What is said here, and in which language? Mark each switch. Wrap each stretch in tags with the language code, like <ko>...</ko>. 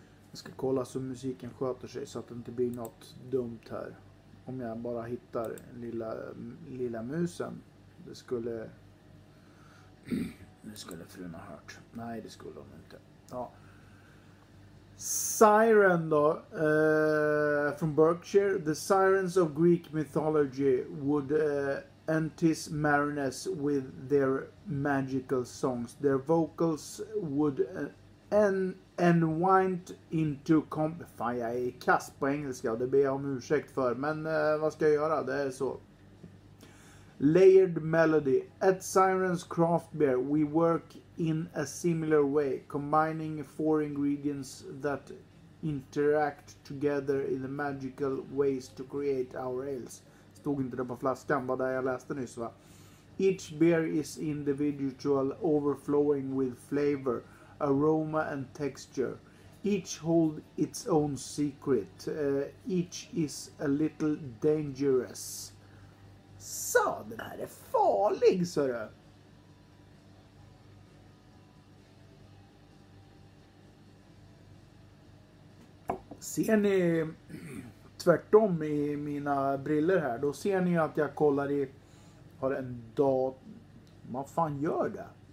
<sv>Jag ska kolla så musiken sköter sig så att det inte blir något dumt här. Om jag bara hittar lilla musen. Det skulle frun ha hört. Nej, det skulle hon inte. Ja. Siren då, från Berkshire.</sv> <en>The sirens of Greek mythology would entice mariners with their magical songs. Their vocals would enwind into comp...</en> <sv>Fan, jag är kast på engelska och det ber jag om ursäkt för. Men vad ska jag göra? Det är så.</sv> <en>Layered melody. At Sirens Craft Beer, we work in a similar way, combining four ingredients that interact together in the magical ways to create our ales.</en> <sv>Stod inte det på flaskan, vad det jag läste nyss va?</sv> <en>Each beer is individual, overflowing with flavor, aroma and texture. Each hold its own secret. Each is a little dangerous.</en> <sv>Så, den här är farlig, så du. Ser ni tvärtom i mina briller här, då ser ni att jag kollar i, har en dag, vad fan gör det?</sv>